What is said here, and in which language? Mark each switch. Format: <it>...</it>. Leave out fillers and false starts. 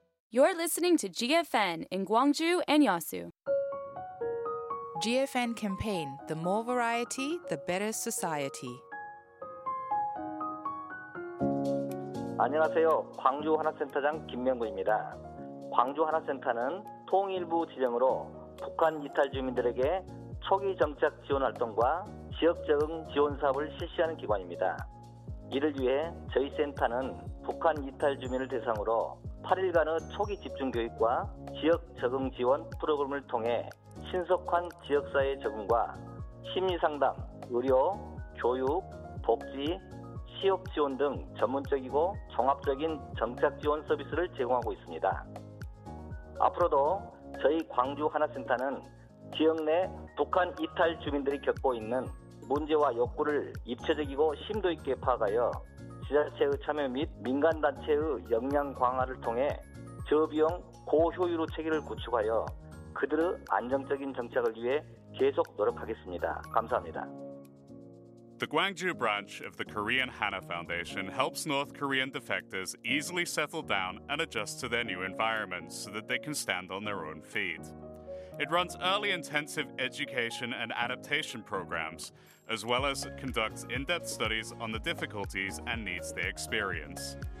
<en>You're listening to GFN in Gwangju and Yeosu. GFN campaign, the more variety, the better society.</en> <ko>안녕하세요. 광주 하나센터장 김명구입니다. 광주 하나센터는 통일부 지정으로 북한 이탈 주민들에게 초기 정착 지원 활동과 지역 적응 지원 사업을 실시하는 기관입니다. 이를 위해 저희 센터는 북한 이탈 주민을 대상으로 8일간의 초기 집중 교육과 지역 적응 지원 프로그램을 통해 신속한 지역사회 적응과 심리상담, 의료, 교육, 복지, 취업 지원 등 전문적이고 종합적인 정착 지원 서비스를 제공하고 있습니다. 앞으로도 저희 광주 하나센터는 지역 내 북한 이탈 주민들이 겪고 있는 문제와 욕구를 입체적이고 심도 있게 파악하여 지자체의 참여 및 민간단체의 역량 강화를 통해 저비용 고효율의 체계를 구축하여 그들의 안정적인 정착을 위해 계속 노력하겠습니다. 감사합니다.</ko> <en>The Gwangju branch of the Korean Hana Foundation helps North Korean defectors easily settle down and adjust to their new environment so that they can stand on their own feet. It runs early intensive education and adaptation programs, as well as conducts in-depth studies on the difficulties and needs they experience.</en>